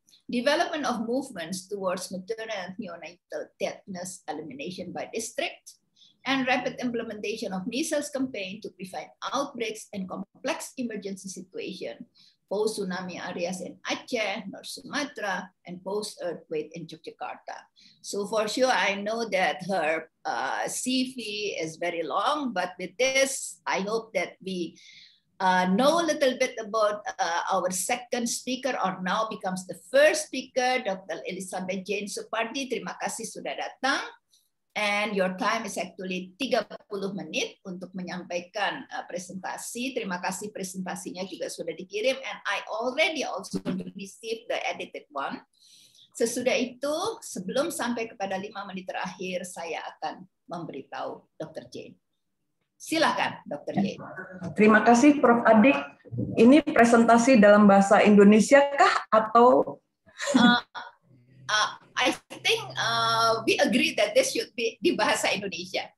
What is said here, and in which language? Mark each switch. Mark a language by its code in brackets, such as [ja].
[en] Development of movements towards maternal and neonatal tetanus elimination by district, and rapid implementation of measles campaign to prevent outbreaks in complex emergency situation, post-tsunami areas in Aceh, North Sumatra, and post-earthquake in Yogyakarta. So for sure, I know that her CV is very long, but with this, I hope that we know a little bit about our second speaker, or now becomes the first speaker, Dr. Elizabeth Jane Supardi. [id] Terima kasih sudah datang. [en] And your time is actually [id] 30 menit untuk menyampaikan presentasi. Terima kasih presentasinya juga sudah dikirim. [en] And I already also received the edited one. [id] Sesudah itu, sebelum sampai kepada 5 menit terakhir, saya akan memberitahu Dr. Jane. Silakan, Dr. Jane. Terima kasih, Prof. Adik. Ini presentasi dalam bahasa Indonesia kah? Atau... [en] I think we agree that this should be [id] di bahasa Indonesia.